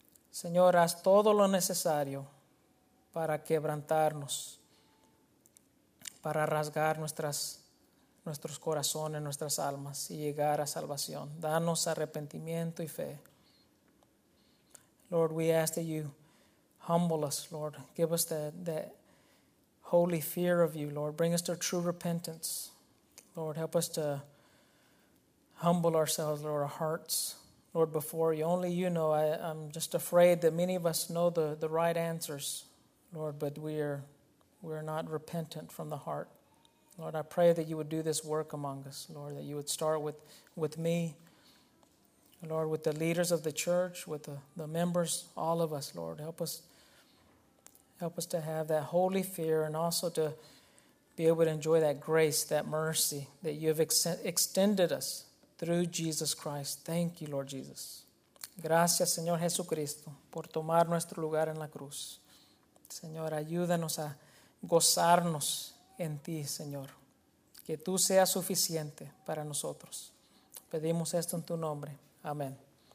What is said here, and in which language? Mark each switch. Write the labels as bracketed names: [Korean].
[Spanish] Señor, haz todo lo necesario para quebrantarnos, para rasgar nuestros corazones, nuestras almas y llegar a salvación. Danos arrepentimiento y fe. [English] Lord, we ask that you humble us, Lord. Give us the holy fear of you, Lord. Bring us to true repentance. Lord, help us to humble ourselves, Lord, our hearts, Lord, before you. Only you know. I'm just afraid that many of us know the right answers, Lord, but we're not repentant from the heart. Lord, I pray that you would do this work among us, Lord, that you would start with me, Lord, with the leaders of the church, with the members, all of us, Lord. Help us to have that holy fear and also to be able to enjoy that grace, that mercy that you have extended us through Jesus Christ. Thank you, Lord Jesus. [Spanish] Gracias, Señor Jesucristo, por tomar nuestro lugar en la cruz. Señor, ayúdanos a gozarnos en ti, Señor. Que tú seas suficiente para nosotros. Pedimos esto en tu nombre. Amén.